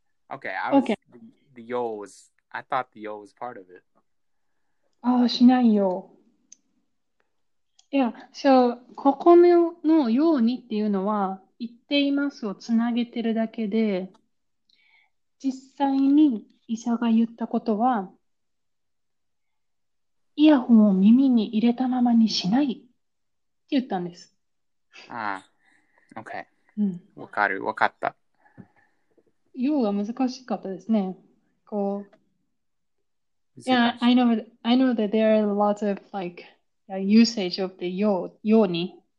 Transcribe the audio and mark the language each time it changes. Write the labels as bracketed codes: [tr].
[en] I was the yo was I thought the yo was part of it. [ja] ああ、しないよ。いや、そう、ここのようにっていうのは、言っていますをつなげてるだけで、実際に医者が言ったことは、イヤホンを耳に入れたままにしないって言ったんです。ああ、OK。うん。わかる、わかった。ようが難しかったですね。こう。 [en] Yeah, I know that there are lots of like usage of the yoni.